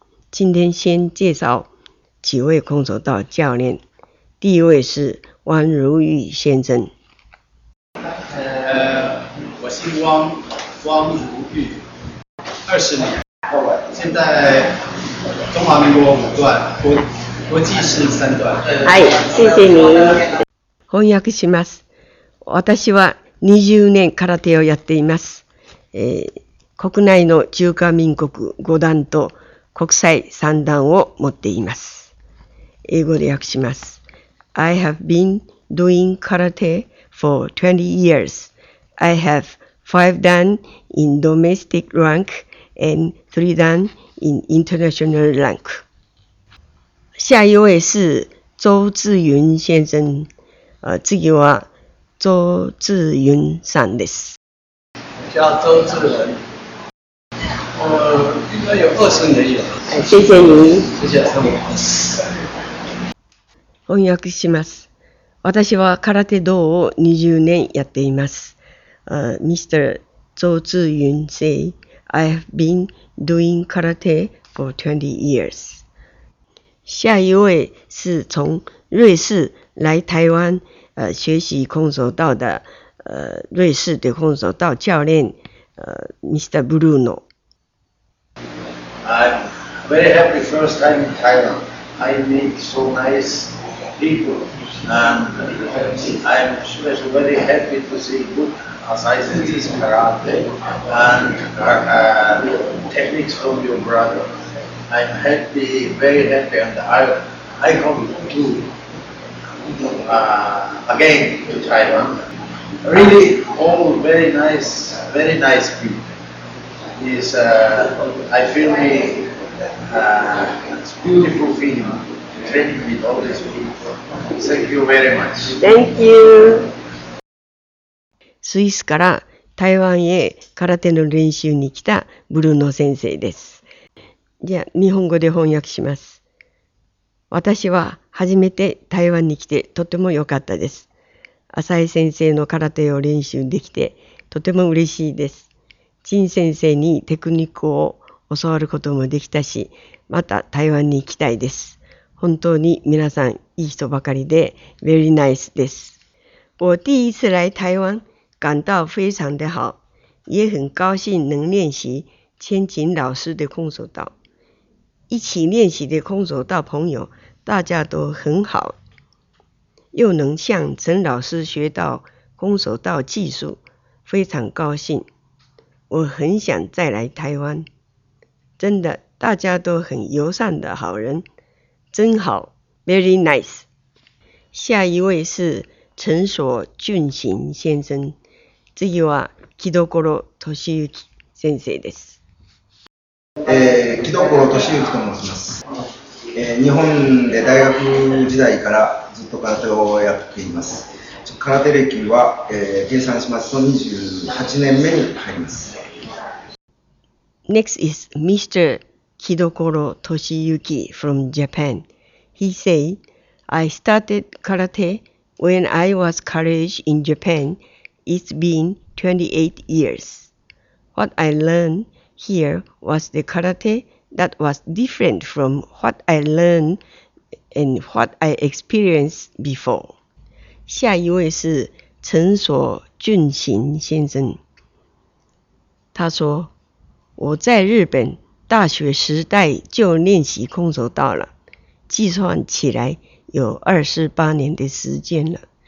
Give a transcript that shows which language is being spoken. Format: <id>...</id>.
<zh>今天先介绍几位空手道教练，第一位是汪如玉先生。我姓汪，汪如玉，20年，现在中华民国五段，国际是三段。哎，谢谢你。</zh> <ja>翻訳します。私は20年空手をやっています。国内の中華民国5段と国際3段を持っています。英語で訳します。</ja> <en>I have been doing karate for 20 years. I have 5 段 in domestic rank and 3 段 in international rank.</en> <zh>下一位是周志云先生。</zh> <ja>次は周志云さんです。</ja> <zh>叫周志云。应该有20年了。谢谢您。谢谢三位老师。</zh> <ja>翻訳します。私は空手道を20年やっています。</ja> <en>Mr. 周志云 say, I have been doing karate for 20 years.</en> <zh>下一位是从瑞士来台湾学习空手道的瑞士的空手道教练Mr.</zh> <en>Bruno. I'm very happy first time in Taiwan. I meet so nice people and I'm very happy to see good exercises in karate and techniques from your brother. I'm happy, very happy and I hope to again to Taiwan. Really, all very nice people. Is I feel me, it's beautiful feeling to train with all these people. Thank you very much. Thank you.</en> <ja>スイスから台湾へ空手の練習に来たブルーノ先生です。じゃあ日本語で翻訳します。私は初めて台湾に来てとても良かったです。浅井先生の空手を練習できてとても嬉しいです。陳先生にテクニックを教わることもできたし、また台湾に行きたいです。本当に皆さんいい人ばかりで、</ja> <en>very nice</en> <ja>です。</ja> <zh>我第一次来台湾、感到非常的好，也很高兴能练习千井老师的空手道。一起练习的空手道朋友，大家都很好，又能向陈老师学到空手道技术，非常高兴。我很想再来台湾，真的，大家都很友善的好人，真好 ，</zh> <en>very nice。</en> <zh>下一位是陈所俊行先生。</zh> <ja>次は木戸頃俊之先生です。木戸幸俊之と申します、日本で大学時代からずっと空手をやっています。空手歴は、計算しますと28年目に入ります。</ja> <en>Next is Mr. Kidokoro Toshiyuki from Japan. He say, I started karate when I was college in Japan. It's been 28 years. What I learned here was the karate that was different from what I learned and what I experienced before.</en> <zh>下一位是陈所俊行先生。他说，我在日本大学时代就练习空手道了，计算起来有28年的时间了。</zh>